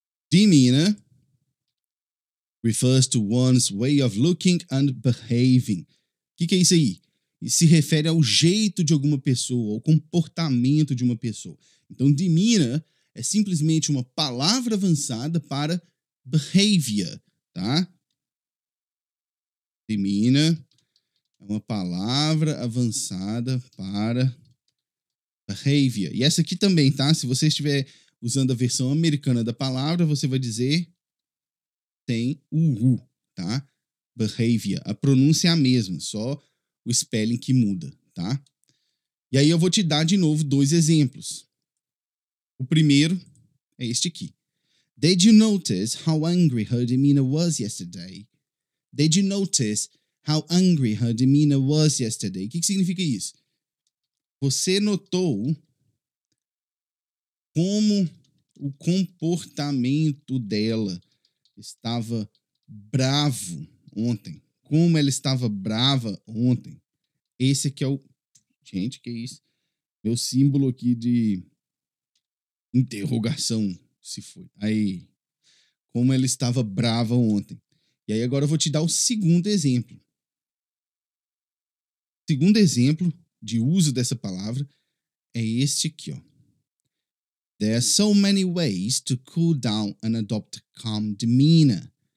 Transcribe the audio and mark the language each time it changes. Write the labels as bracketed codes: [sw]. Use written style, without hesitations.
[en] Demeanor refers to one's way of looking and behaving. [pt] O que que é isso aí? Isso se refere ao jeito de alguma pessoa, ao comportamento de uma pessoa. Então, demeanor é simplesmente uma palavra avançada para behavior, tá? Demeanor é uma palavra avançada para behavior. E essa aqui também, tá? Se você estiver usando a versão americana da palavra, você vai dizer sem o U, tá? Behavior. A pronúncia é a mesma, só o spelling que muda, tá? E aí eu vou te dar de novo 2 exemplos. O primeiro é este aqui. [en] Did you notice how angry her demeanor was yesterday? Did you notice how angry her demeanor was yesterday? [pt] O que significa isso? Você notou como o comportamento dela estava bravo ontem? Como ela estava brava ontem? Esse aqui é o... Gente, que é isso? Meu símbolo aqui de... Interrogação, se foi. Aí, como ela estava brava ontem. E aí, agora eu vou te dar o segundo exemplo. O segundo exemplo de uso dessa palavra é este aqui, ó. [en] There are so many ways to cool down and adopt a calm demeanor.